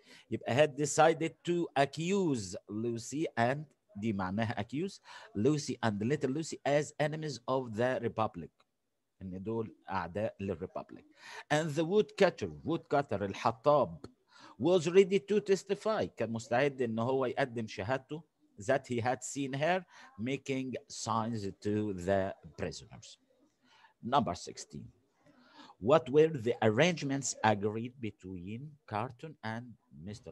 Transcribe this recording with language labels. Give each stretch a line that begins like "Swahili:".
Arabic: يبقى
English: had decided to accuse Lucy and
Arabic: دي معناها
English: accuse Lucy and little Lucy as enemies of the Republic.
Arabic: إن دول أعداء للريبابليك.
English: And the woodcutter
Arabic: الحطاب
English: was ready to testify.
Arabic: كان مستعد إن هو يقدم شهادته
English: that he had seen her making signs to the prisoners. Number 16. What were the arrangements agreed between Carton and Mr.